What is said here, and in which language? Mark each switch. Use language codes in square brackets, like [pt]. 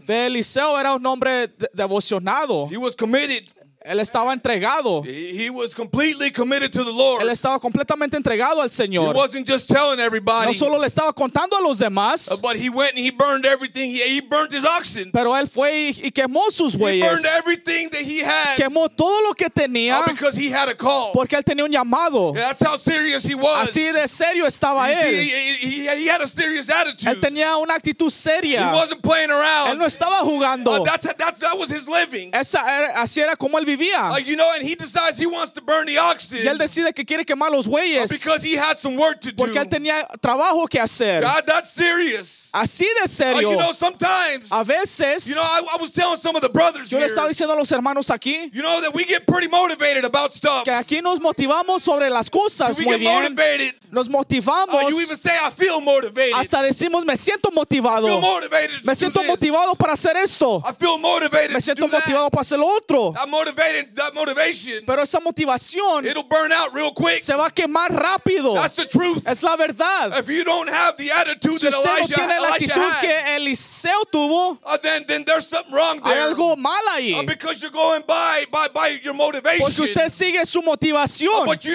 [es] Ve, Eliseo era un hombre devocionado. [en] He was committed. [es] Él estaba entregado. [en] He was completely committed to the Lord. [es] Él estaba completamente entregado al Señor. [en] He wasn't just telling everybody. [es] No solo le estaba contando a los demás. [en] But he went and he burned everything. He burned his oxen. [es] Pero él fue y quemó sus bueyes. [en] He burned everything that he had. [es] Quemó todo lo que tenía. [en] All because he had a call. [es] Porque él tenía un llamado. [en] Yeah, that's how serious he was. [es] Así de serio estaba él. [en] He had a serious attitude. [es] Él tenía una actitud seria. [en] He wasn't playing around. [es] Él no estaba jugando. [en] That was his living. [es] Esa era, así era como él. [en] You know, and he decides he wants to burn the oxen. [es] Y él decide que quiere quemar los bueyes. [en] Because he had some work to do. [es] Porque él tenía trabajo que hacer. [en] God, that's serious. [es] Así de serio. [en] You know, sometimes. [es] A veces. [en] You know, I was telling some of the brothers [es] here. Yo le estaba diciendo a los hermanos aquí. [en] You know that we get pretty motivated about stuff. [es] Que aquí nos motivamos sobre las cosas muy bien. [en] We get motivated. [es] Nos motivamos. [en] You even say I feel motivated. [es] Hasta decimos me siento motivado. [en] I feel motivated. [es] Me siento motivado para hacer esto. [en] I feel motivated. [es] Me siento motivado para hacer lo otro. [en] That motivation, [es] pero esa motivación, [en] it'll burn out real quick. [es] Se va a quemar rápido. [en] That's the truth. [es] Es la verdad. [en] If you don't have the attitude [es] si usted [en] that Elijah, [es] no tiene la actitud que Eliseo tuvo, [en] then there's something wrong there. [es] Hay algo mal ahí. [en] Because you're going by your motivation. [es] Porque usted sigue su motivación.